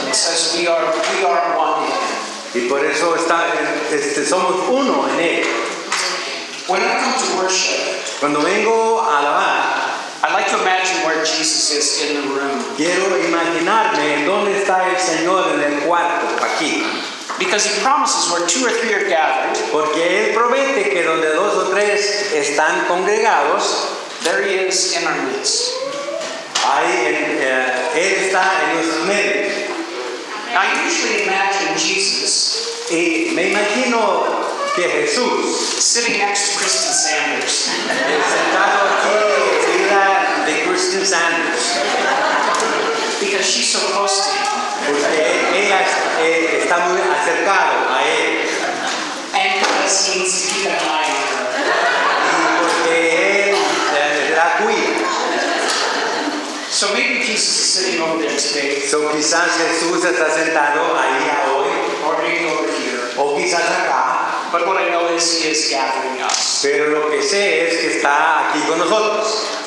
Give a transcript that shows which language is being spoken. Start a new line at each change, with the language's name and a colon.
English: And it says we are one in him.
Spanish: Y por eso somos uno en él.
English: When I come to worship,
Spanish: cuando vengo a alabar,
English: I like to imagine where Jesus is in the room.
Spanish: Quiero imaginarme dónde está el Señor en el cuarto aquí.
English: Because he promises where two or three are gathered.
Spanish: Porque él promete que donde dos o tres están congregados,
English: there he is in our midst.
Spanish: Ahí él está en nuestro medio.
English: I usually imagine Jesus.
Spanish: Y me imagino que Jesús
English: sitting next to Kristen Sanders.
Spanish: Sentado aquí de Kristen Sanders.
English: Because she's so close to him.
Spanish: Porque ella está muy acercada a él.
English: And because he needs to keep an eye on her.
Spanish: Y porque él la cuida.
English: So maybe Jesus is sitting over there today.
Spanish: So quizás Jesús está sentado ahí hoy.
English: Or maybe over here.
Spanish: O quizás acá.
English: But what I know is he is gathering us.
Spanish: Pero lo que sé es que está aquí con nosotros.